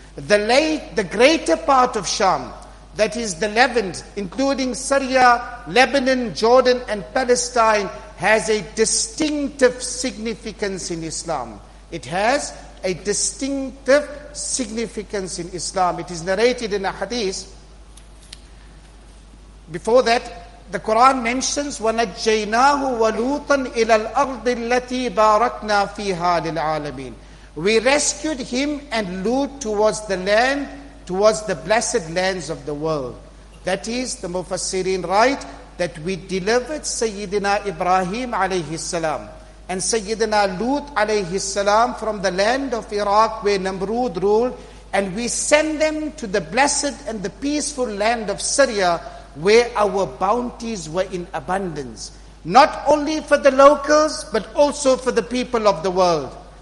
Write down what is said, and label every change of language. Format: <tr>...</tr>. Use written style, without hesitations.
<en>The greater part of Sham, that is the Levant, including Syria, Lebanon, Jordan and Palestine, has a distinctive significance in Islam. It has a distinctive significance in Islam. It is narrated in a hadith. Before that, the Quran mentions,</en> <ar>وَنَجَّيْنَاهُ وَلُوطًا إِلَى الْأَرْضِ الَّتِي بَارَكْنَا فِيهَا لِلْعَالَمِينَ.</ar> <en>We rescued him and Lut towards the land, towards the blessed lands of the world. That is, the Mufassirin write, that we delivered Sayyidina Ibrahim alayhi salam and Sayyidina Lut alayhi salam from the land of Iraq where Namrud ruled, and we send them to the blessed and the peaceful land of Syria where our bounties were in abundance, not only for the locals but also for the people of the world.</en>